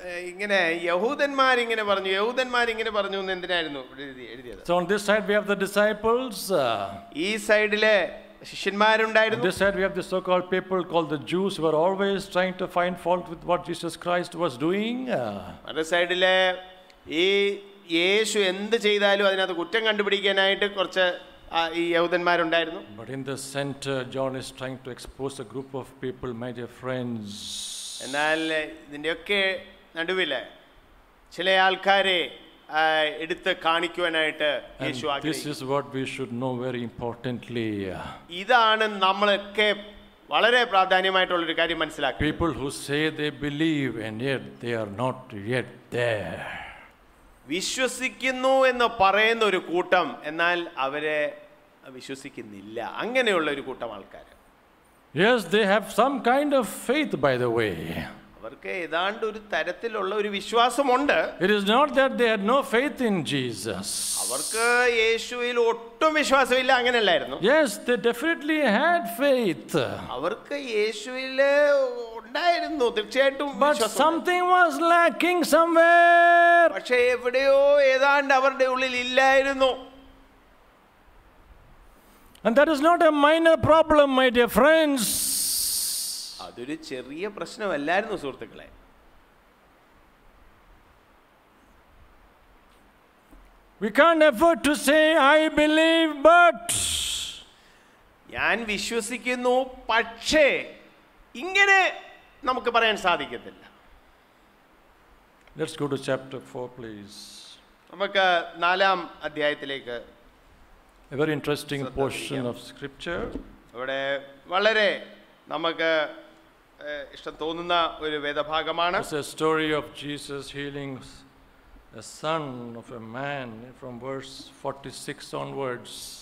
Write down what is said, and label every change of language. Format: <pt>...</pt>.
<ml>ഇങ്ങനെ യഹൂദന്മാർ ഇങ്ങനെ പറഞ്ഞു, യഹൂദന്മാർ ഇങ്ങനെ പറഞ്ഞു എന്ന് എന്തിനായിരുന്നു എഴുതിയത്?</ml> <en>So on this side we have the disciples.</en> <ml>ഈ സൈഡിലെ ശിഷ്യന്മാരുണ്ടായിരുന്നു.</ml> <en>This side we have the so called people called the Jews who were always trying to find fault with what Jesus Christ was doing.</en> <ml>അത് സൈഡിലെ ഈ യേശു എന്ത് ചെയ്താലും അതിനകത്ത് കുറ്റം കണ്ടുപിടിക്കാനായിട്ട് കുറച്ച് ഈ യഹൂദന്മാരുണ്ടായിരുന്നു.</ml> <en>But in the center John is trying to expose a group of people, my dear friends.</en> <ml>എന്നാൽ ഇതിൻ്റെയൊക്കെ നടുവില് ചില ആൾക്കാരെ എടുത്ത് കാണിക്കുവാനായിട്ട് യേശു ആഗ്രഹിച്ചു.</ml> <en>This is what we should know very importantly.</en> <ml>ഇതാണ് നമ്മളൊക്കെ വളരെ പ്രാധാന്യമായിട്ടുള്ള ഒരു കാര്യം മനസ്സിലാക്കുക.</ml> <en>People who say they believe and yet they are not yet there.</en> <ml>വിശ്വസിക്കുന്നു എന്ന് പറയുന്ന ഒരു കൂട്ടം, എന്നാൽ അവരെ വിശ്വസിക്കുന്നില്ല, അങ്ങനെയുള്ള ഒരു കൂട്ടം ആൾക്കാർ.</ml> <en>Yes, they have some kind of faith, by the way.</en> <ml>അവർക്ക് ഏതാണ്ട് ഒരു തരത്തിലുള്ള ഒരു വിശ്വാസമുണ്ട്.</ml> <en>It is not that they had no faith in Jesus.</en> <ml>അവർക്ക് യേശുവിൽ ഒട്ടും വിശ്വാസമില്ല, അങ്ങനെയല്ലായിരുന്നു.</ml> <en>Yes, they definitely had faith.</en> <ml>അവർക്ക് യേശുവിൽ ഉണ്ടായിരുന്നു തീർച്ചയായിട്ടും.</ml> <en>But something was lacking somewhere.</en> <ml>പക്ഷേ എവിടെയോ ഏതാണ്ട് അവരുടെ ഉള്ളിൽ ഇല്ലായിരുന്നു.</ml> <en>And that is not a minor problem, my dear friends.</en> <ml>അതൊരു ചെറിയ പ്രശ്നമല്ലായിരുന്നു സുഹൃത്തുക്കളെ.</ml> <en>We can't afford to say I believe but</en> <ml>ഞാൻ വിശ്വസിക്കുന്നു പക്ഷേ, ഇങ്ങനെ നമുക്ക് പറയാൻ സാധിക്കില്ല.</ml> <en>Let's go to chapter 4 please.</en> <ml>നമുക്ക് നാലാം അധ്യായത്തിലേക്ക്.</ml> <en>A very interesting portion of scripture.</en> <ml>അവിടെ വളരെ നമുക്ക് ഇഷ്ടം തോന്നുന്ന ഒരു വേദഭാഗമാണ്.</ml> <en>It's a story of Jesus healing a son of a man from verse 46 onwards.</en>